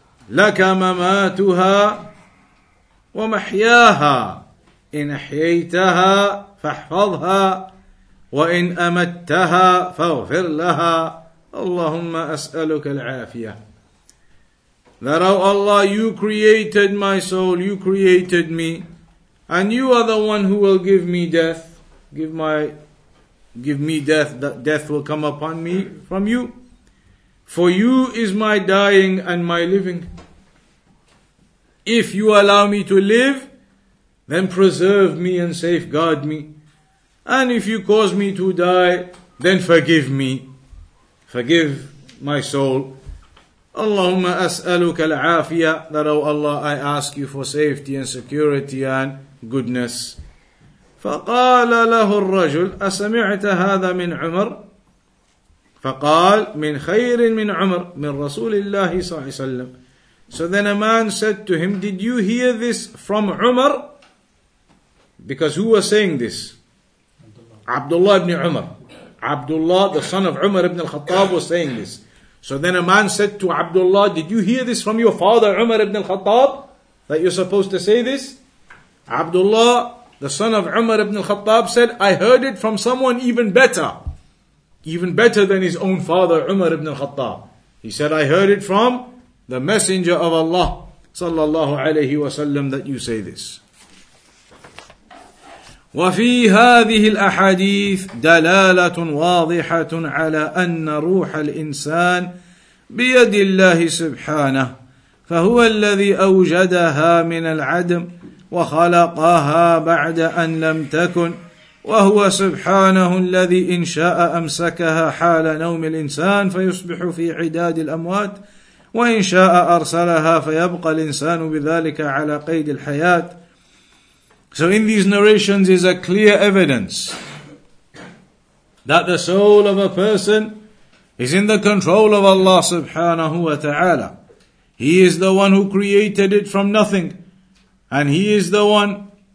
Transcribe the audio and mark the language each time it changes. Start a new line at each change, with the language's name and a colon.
Arabic: لك مماتها ومحياها إن أحييتها فاحفظها وإن أمتها فاغفر لها اللهم أسألك العافية.
English: That, oh Allah, you created my soul, you created me, and you are the one who will give me death. Give me death, that death will come upon me from you. For you is my dying and my living. If you allow me to live, then preserve me and safeguard me. And if you cause me to die, then forgive me. Forgive my soul.
Arabic: Allahumma as'aluka al-afiya,
English: that, O Allah, I ask you for safety and security and goodness.
Arabic: فقال له الرجل أسمعت هذا من عمر, فقال من خير من عمر من رسول الله صلى الله عليه وسلم.
English: So then a man said to him, did you hear this from Umar? Because who was saying this? Abdullah ibn Umar. Abdullah, the son of Umar ibn al-Khattab, was saying this. So then a man said to Abdullah, did you hear this from your father Umar ibn al-Khattab, that you're supposed to say this? Abdullah, the son of Umar ibn al-Khattab, said, I heard it from someone even better than his own father Umar ibn al-Khattab. He said, I heard it from the messenger of Allah sallallahu alayhi wa sallam that you say this.
Arabic: وفي هذه الأحاديث دلالة واضحة على أن روح الإنسان بيد الله سبحانه, فهو الذي أوجدها من العدم وخلقها بعد أن لم تكن, وهو سبحانه الذي إن شاء أمسكها حال نوم الإنسان فيصبح في عداد الأموات, وإن شاء أرسلها فيبقى الإنسان بذلك على قيد الحياة.
English: So in these narrations is a clear evidence that the soul of a person is in the control of Allah subhanahu wa ta'ala. He is the one who created it from nothing, and he is the one